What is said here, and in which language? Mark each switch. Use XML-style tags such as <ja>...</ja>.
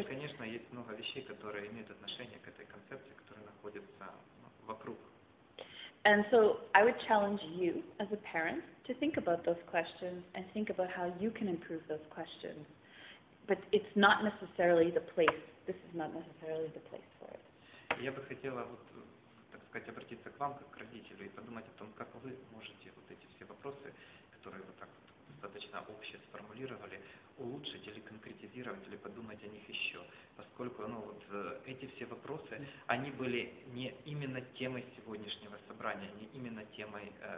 <ru>И, конечно, есть много вещей, которые имеют отношение к этой концепции, которая находится вокруг.</ru> <en>And so I would challenge you as a parent to think about those questions and think about how you can improve those questions. But it's not necessarily the place. This is not necessarily the place for it.</en> <ru>Я бы хотела вот, так сказать, обратиться к вам как к родителю и подумать о том, как вы можете вот эти все вопросы, которые вот так вот достаточно общее сформулировали, улучшить или конкретизировать, или подумать о них еще, поскольку, ну, вот эти все вопросы, они были не именно темой сегодняшнего собрания, не именно темой...</ru>